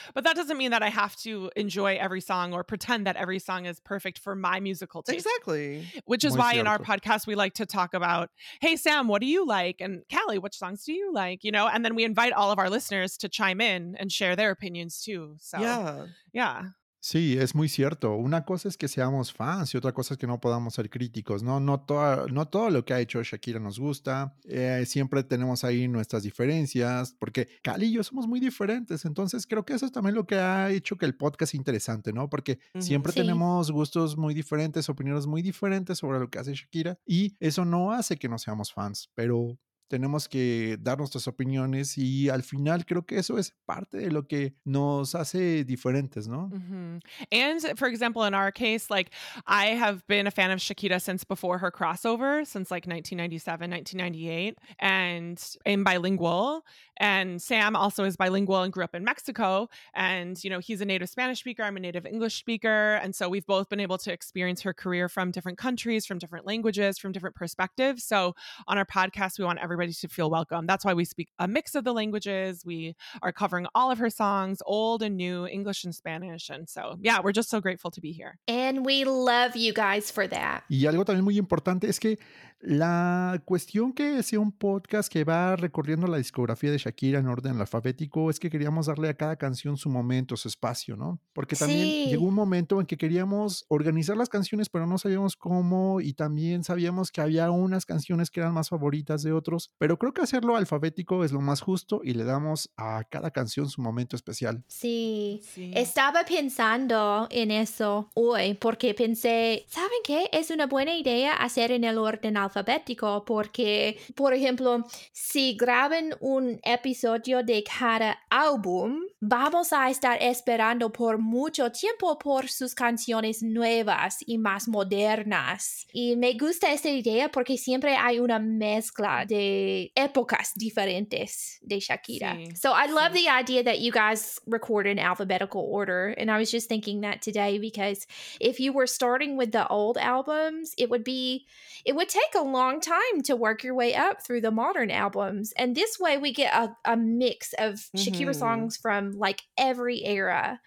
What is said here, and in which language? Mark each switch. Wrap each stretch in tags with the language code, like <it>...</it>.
<en>But that doesn't mean that I have to enjoy every song or pretend that every song is perfect for my musical taste. Exactly. Which is why in our podcast we like to talk about, hey Sam, what do you like, and Callie, which songs do you like, you know? And then we invite all of our listeners to chime in and share their opinions too. So</en> <es>sí, es muy cierto. Una cosa es que seamos fans y otra cosa es que no podamos ser críticos, ¿no? No todo lo que ha hecho Shakira nos gusta. Siempre tenemos ahí nuestras diferencias porque Cali y yo somos muy diferentes. Entonces creo que eso es también lo que ha hecho que el podcast sea interesante, ¿no? Porque siempre tenemos gustos muy diferentes, opiniones muy diferentes sobre lo que hace Shakira y eso no hace que no seamos fans, pero tenemos que dar nuestras opiniones y al final creo que eso es parte de lo que nos hace diferentes, ¿no? Mm-hmm.</es> <en>And for example, in our case, like I have been a fan of Shakira since before her crossover, since like 1997, 1998, and I'm bilingual. And Sam also is bilingual and grew up in Mexico. And, you know, he's a native Spanish speaker. I'm a native English speaker. And so we've both been able to experience her career from different countries, from different languages, from different perspectives. So on our podcast, we want everybody to feel welcome. That's why we speak a mix of the languages. We are covering all of her songs, old and new, English and Spanish. And so, yeah, we're just so grateful to be here. And we love you guys for that.</en> <es>Y algo también muy importante es que la cuestión que sea un podcast que va recorriendo la discografía de Shakira en orden alfabético es que queríamos darle a cada canción su momento, su espacio, ¿no? Porque también llegó un momento en que queríamos organizar las canciones, pero no sabíamos cómo y también sabíamos que había unas canciones que eran más favoritas de otros. Pero creo que hacerlo alfabético es lo más justo y le damos a cada canción su momento especial. Sí, estaba pensando en eso hoy porque pensé, ¿saben qué? Es una buena idea hacer en el orden alfabético porque, por ejemplo, si graban un episodio de cada álbum, vamos a estar esperando por mucho tiempo por sus canciones nuevas y más modernas. Y me gusta esta idea porque siempre hay una mezcla de épocas diferentes de Shakira. Sí.</es> <en>So I love the idea that you guys record in alphabetical order. And I was just thinking that today because if you were starting with the old albums, it would take a long time to work your way up through the modern albums. And this way we get a mix of Shakira songs from like every era.</en>